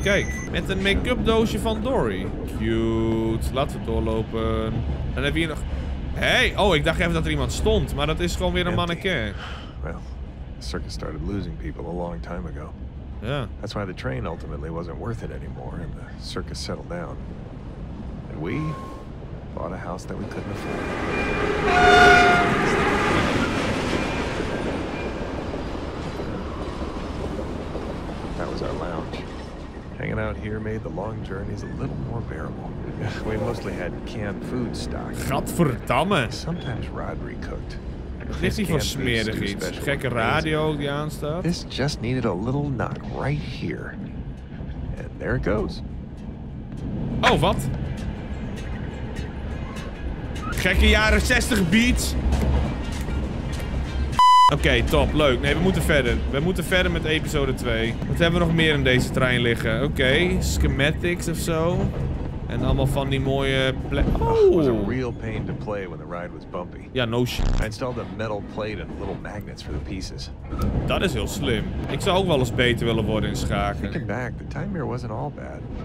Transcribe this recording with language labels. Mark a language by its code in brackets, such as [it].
[nl] Kijk, met een make-up doosje van Dory. Cute. Laten we doorlopen. Dan heb je hier nog... Hey, oh, ik dacht even dat er iemand stond, maar dat is gewoon weer een mannequin. [en] Well, the circus started losing people a long time ago. Yeah. That's why the train ultimately wasn't worth it anymore and the circus settled down. And we bought a house that we couldn't afford. That was our lounge. Hanging out here made the long journeys a little more bearable. We mostly had canned food stock. [nl] Gadverdamme. [en] Sometimes Rodri cooked. [nl] Is hij van smerig iets? Gekke radio die aanstaat. [en] This just needed a little knock right here. And there it goes. [nl] Oh, wat? Gekke jaren 60 beats. Oké, top. Leuk. Nee, we moeten verder. We moeten verder met episode 2. Wat hebben we nog meer in deze trein liggen? Oké, schematics of zo. En allemaal van die mooie plek. Oh! [en] It was a real pain to play when the ride was bumpy. Ja, no shit. I installed a metal plate and little magnets for the pieces. [nl] Dat is heel slim. Ik zou ook wel eens beter willen worden in schaken. [en] Thinking back, the time here wasn't all bad.